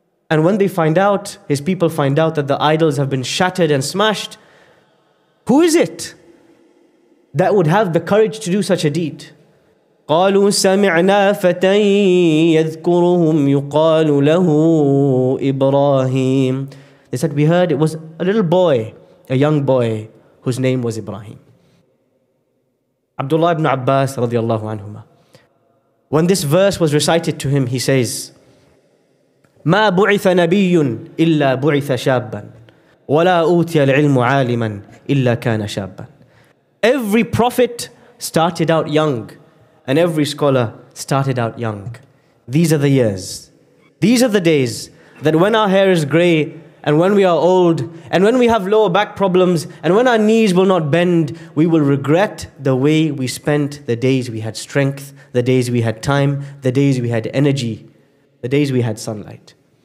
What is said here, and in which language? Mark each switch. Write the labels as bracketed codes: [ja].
[en] And when they find out, his people find out that the idols have been shattered and smashed, who is it that would have the courage to do such a deed? [ar] قَالُوا سَمِعْنَا فَتَن يَذْكُرُهُمْ يُقَالُ لَهُ إِبْرَاهِيمُ. [en] They said, we heard it was a little boy, a young boy, whose name was Ibrahim. Abdullah ibn Abbas [ar] radiallahu anhuma. [en] When this verse was recited to him, he says, [ar] مَا بُعِثَ نَبِيٌّ إِلَّا بُعِثَ شَابًّا وَلَا أُوتِيَ الْعِلْمُ عَالِمًا إِلَّا كَانَ شَابًّا. [en] Every prophet started out young, and every scholar started out young. These are the years. These are the days that when our hair is grey, and when we are old, and when we have lower back problems, and when our knees will not bend, we will regret the way we spent the days we had strength, the days we had time, the days we had energy, the days we had sunlight.